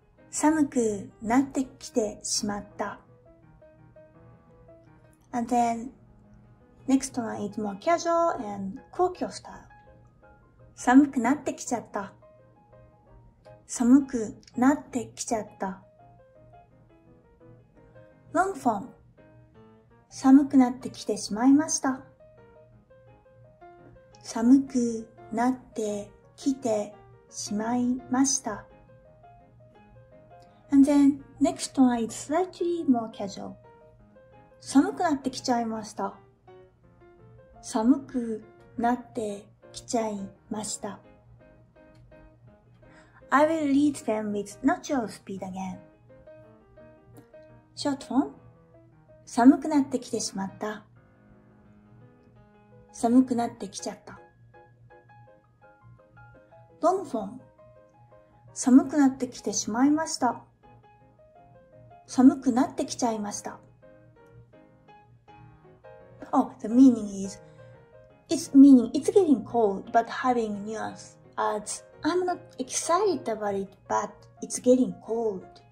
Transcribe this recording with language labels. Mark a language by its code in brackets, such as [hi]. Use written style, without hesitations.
[ja] 寒くなってきてしまった。 [en] And then, next one is more casual and colloquial style. [ja] 寒くなってきちゃった。寒くなってきちゃった。 [en] Long form. [ja] 寒くなってきてしまいました。寒くなって来てしまいました。 [en] And then, next one is slightly more casual. [ja] 寒くなってきちゃいました。寒くなってきちゃいました。 [en] I will read them with natural speed again. Short one. [ja] 寒くなってきてしまった。寒くなってきちゃった。 [en] Long form. [ja] 寒くなってきてしまいました。寒くなってきちゃいました。 [en] Oh, the meaning is, it's getting cold, but having nuance as, I'm not excited about it, but it's getting cold.